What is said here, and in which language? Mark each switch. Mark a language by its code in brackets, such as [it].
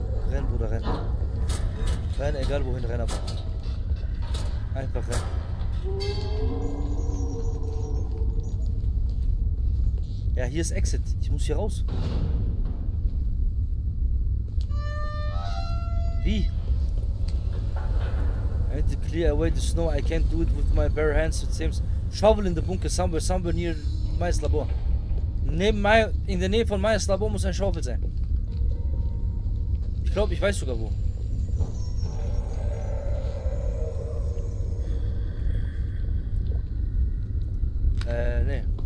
[de] Renn, Bruder, renn. Renn, egal wohin, renn aber. Einfach renn. Ja, hier ist Exit, ich muss hier raus. Wie? [en] I need to clear away the snow. I can't do it with my bare hands, it seems. Shovel in the bunker somewhere near Mayas Labor. [de] In der Nähe von Mayas Labor muss ein Schaufel sein. Ich glaube, ich weiß sogar wo. Nee.